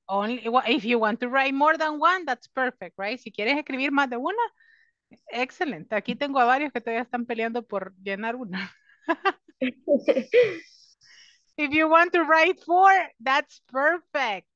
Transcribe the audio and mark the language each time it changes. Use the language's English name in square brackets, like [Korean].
[English] Only, well, if you want to write more than one, that's perfect, right? [Spanish] Si quieres escribir más de una, excellent. Aquí tengo a varios que todavía están peleando por llenar una. [English] If you want to write four, that's perfect.